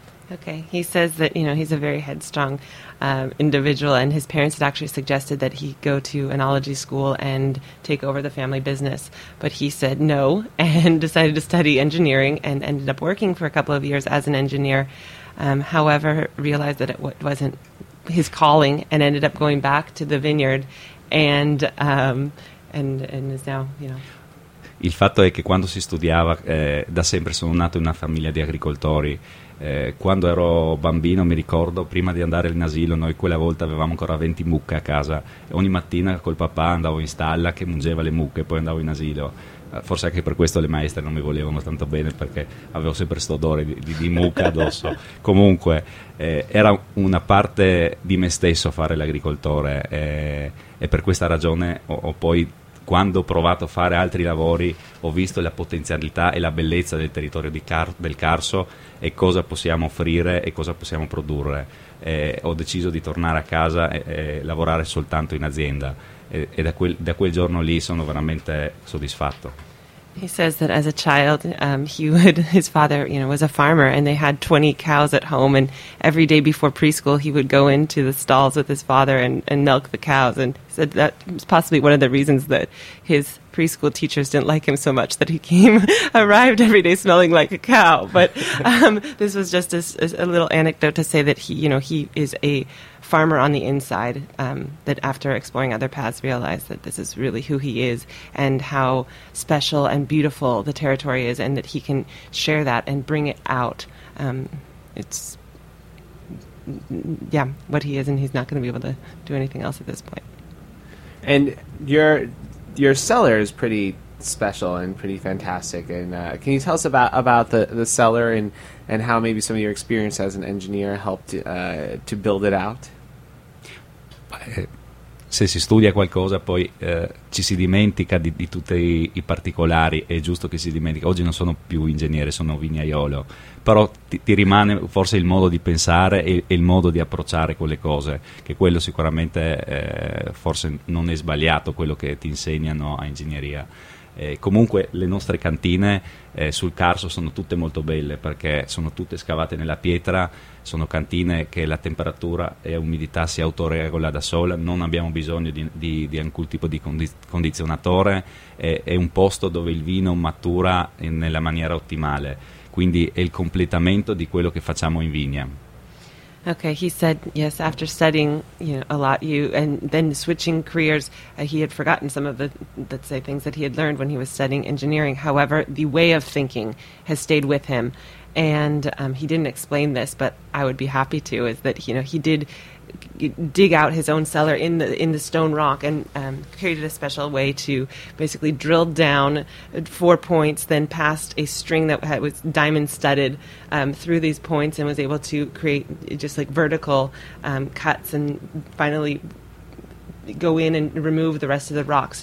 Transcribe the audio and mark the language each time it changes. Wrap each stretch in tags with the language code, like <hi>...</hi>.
<en>Okay, he says that, you know, he's a very headstrong individual, and his parents had actually suggested that he go to enology school and take over the family business, but he said no and decided to study engineering and ended up working for a couple of years as an engineer, however, realized that it wasn't his calling and ended up going back to the vineyard and is now, you know.</en> <it>Il fatto è che quando si studiava, da sempre sono nato in una famiglia di agricoltori. Quando ero bambino, mi ricordo, prima di andare in asilo, noi quella volta avevamo ancora 20 mucche a casa. Ogni mattina col papà andavo in stalla che mungeva le mucche, poi andavo in asilo. Forse anche per questo le maestre non mi volevano tanto bene, perché avevo sempre questo odore di mucca addosso. Comunque, era una parte di me stesso fare l'agricoltore, e per questa ragione ho poi, quando ho provato a fare altri lavori, ho visto la potenzialità e la bellezza del territorio del Carso e cosa possiamo offrire e cosa possiamo produrre. Ho deciso di tornare a casa e lavorare soltanto in azienda, e da quel giorno lì sono veramente soddisfatto.</it> <en>He says that as a child, his father, you know, was a farmer, and they had 20 cows at home, and every day before preschool he would go into the stalls with his father and milk the cows, and he said that was possibly one of the reasons that his preschool teachers didn't like him so much that he came arrived every day smelling like a cow. But this was just a little anecdote to say that he is a farmer on the inside, that after exploring other paths realized that this is really who he is and how special and beautiful the territory is, and that he can share that and bring it out. It's what he is, and he's not going to be able to do anything else at this point. And your cellar is pretty special and pretty fantastic. And can you tell us about the cellar and how maybe some of your experience as an engineer helped to build it out?</en> <it>Se si studia qualcosa poi ci si dimentica di tutti i particolari, è giusto che si dimentica. Oggi non sono più ingegnere, sono vignaiolo, però ti rimane forse il modo di pensare e il modo di approcciare quelle cose, che quello sicuramente forse non è sbagliato quello che ti insegnano a ingegneria. Comunque le nostre cantine sul Carso sono tutte molto belle, perché sono tutte scavate nella pietra, sono cantine che la temperatura e umidità si autoregola da sola, non abbiamo bisogno di alcun tipo di condizionatore, è un posto dove il vino matura nella maniera ottimale, quindi è il completamento di quello che facciamo in vigna.</it> <en>Okay, he said, yes, after studying a lot, and then switching careers, he had forgotten some of the, let's say, things that he had learned when he was studying engineering. However, the way of thinking has stayed with him. And he didn't explain this, but I would be happy to, is that, he did dig out his own cellar in the stone rock and created a special way to basically drill down 4 points, then passed a string that was diamond studded through these points, and was able to create just like vertical cuts, and finally go in and remove the rest of the rock.</en>